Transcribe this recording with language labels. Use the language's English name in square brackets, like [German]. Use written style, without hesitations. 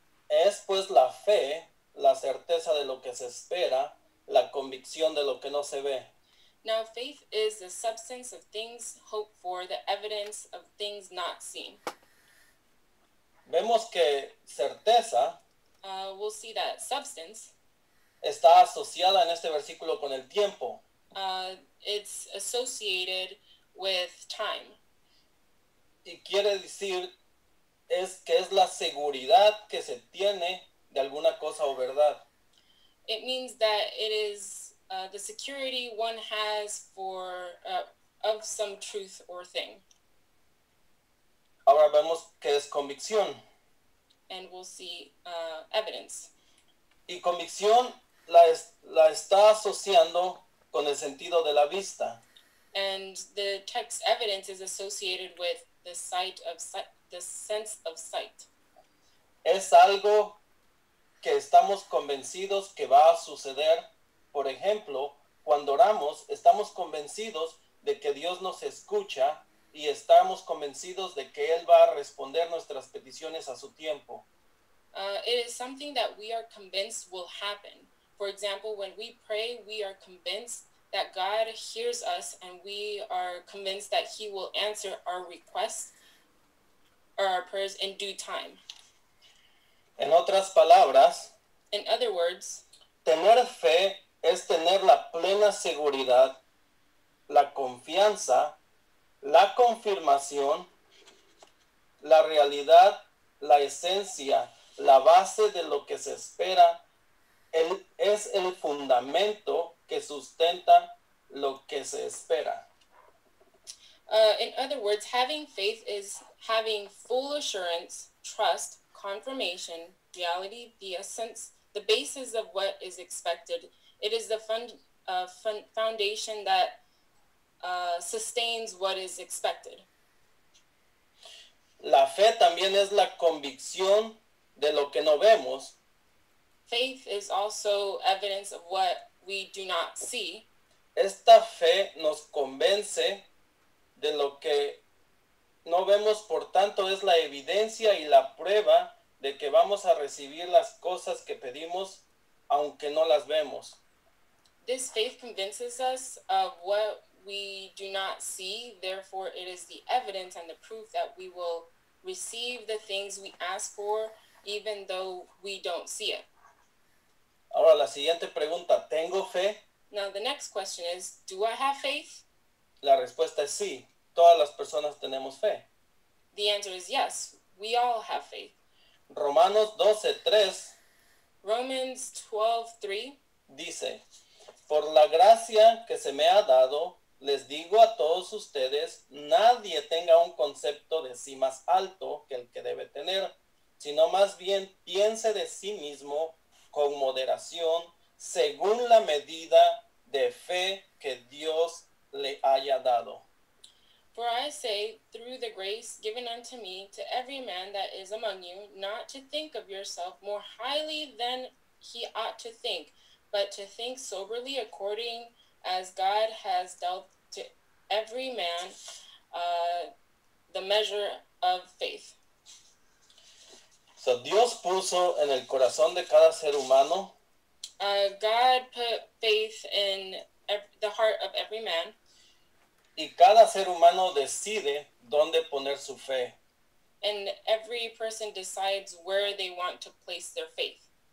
[Spanish] Es pues la fe, la certeza de lo que se espera, la convicción de lo que no se ve. [English] Now faith is the substance of things hoped for, the evidence of things not seen. [Spanish] Vemos que certeza, [English] we'll see that substance, [Spanish] está asociada en este versículo con el tiempo. [English] It's associated with time. [Spanish] Y quiere decir es que es la seguridad que se tiene de alguna cosa o verdad. [English] It means that it is the security one has for of some truth or thing. [Spanish] Ahora vemos que es convicción. [English] And we'll see evidence. [Spanish] Y convicción la está asociando con el sentido de la vista. [English] And the text evidence is associated with the sight of the sense of sight. [Spanish] Es algo que estamos convencidos que va a suceder. Por ejemplo, cuando oramos, estamos convencidos de que Dios nos escucha y estamos convencidos de que Él va a responder nuestras peticiones a su tiempo. [English] It is something that we are convinced will happen. For example, when we pray, we are convinced that God hears us and we are convinced that He will answer our requests or our prayers in due time. [Spanish] En otras palabras, [English] in other words, [Spanish] tener fe es tener la plena seguridad, la confianza, la confirmación, la realidad, la esencia, la base de lo que se espera, es el fundamento que sustenta lo que se espera. [English] In other words, having faith is having full assurance, trust, confirmation, reality, the essence, the basis of what is expected. It is the foundation that sustains what is expected. [Spanish] La fe también. también es la convicción de lo que no vemos. [English] Faith is also evidence of what we do not see. [Spanish] Esta fe nos convence de lo que no vemos, por tanto, es la evidencia y la prueba de que vamos a recibir las cosas que pedimos, aunque no las vemos. [English] This faith convinces us of what we do not see, therefore it is the evidence and the proof that we will receive the things we ask for, even though we don't see it. [Spanish] Ahora la siguiente pregunta, ¿tengo fe? [English] Now the next question is, do I have faith? [Spanish] La respuesta es sí, todas las personas tenemos fe. [English] The answer is yes, we all have faith. [Spanish] Romanos 12:3. [English] Romans 12:3. [Spanish] Dice, por la gracia que se me ha dado, les digo a todos ustedes, nadie tenga un concepto de sí más alto que el que debe tener, sino más bien piense de sí mismo con moderación, según la medida de fe que Dios le haya dado. [English] For I say, through the grace given unto me, to every man that is among you, not to think of yourself more highly than he ought to think, but to think soberly according as God has dealt to every man the measure of faith. [Spanish] So Dios puso en el corazón de cada ser humano. [English] God put faith in the heart of every man. [Spanish] Y cada ser humano decide dónde poner su fe. [English] And every person decides where they want to place their faith.